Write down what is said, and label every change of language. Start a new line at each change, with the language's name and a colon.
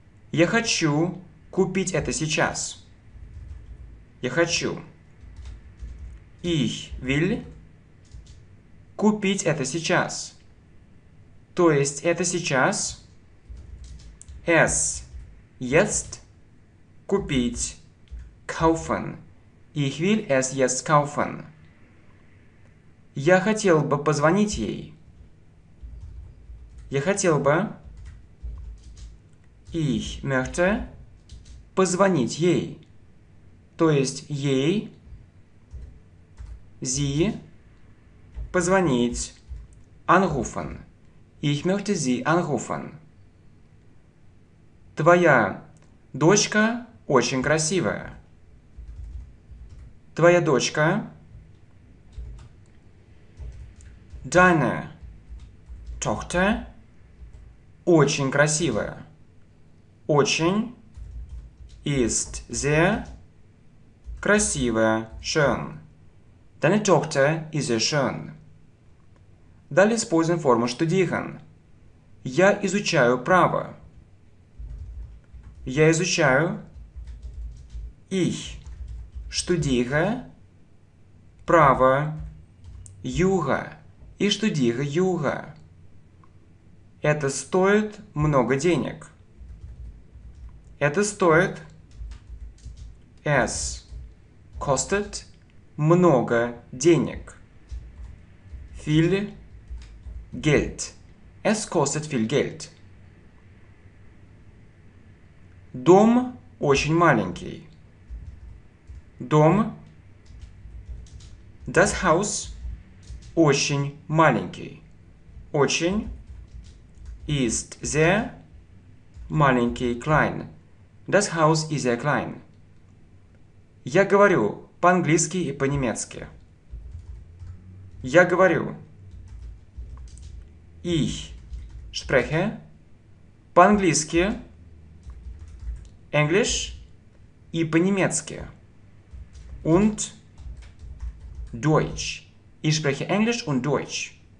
Russian: Я хочу купить это сейчас. Я хочу.
German: Ich will
Russian: купить это сейчас. То есть это сейчас
German: es jetzt
Russian: купить
German: kaufen. Ich will es jetzt kaufen.
Russian: Я хотел бы позвонить ей. Я хотел бы
German: ich möchte
Russian: позвонить ей. То есть ей
German: sie
Russian: позвонить
German: anrufen. Ich möchte sie anrufen.
Russian: Твоя дочка очень красивая. Твоя дочка.
German: Deine Tochter.
Russian: Очень красивая. Очень.
German: Ist sehr.
Russian: Красивая.
German: Schön. Deine Tochter ist sehr schön.
Russian: Далее используем форму studieren. Я изучаю право. Я изучаю.
German: Ich studiere
Russian: право. Юга.
German: Ich studiere
Russian: Юга. Это стоит много денег. Это стоит.
German: Es kostet
Russian: много денег.
German: Viel Geld. Es kostet viel Geld.
Russian: Дом очень маленький. Дом.
German: Das Haus
Russian: очень маленький. Очень.
German: Ist sehr
Russian: маленький,
German: klein. Das Haus ist sehr klein.
Russian: Я говорю по-английски и по-немецки. Я говорю.
German: Ich spreche
Russian: по-английски, English и по-немецки.
German: Und Deutsch. Ich spreche English und Deutsch.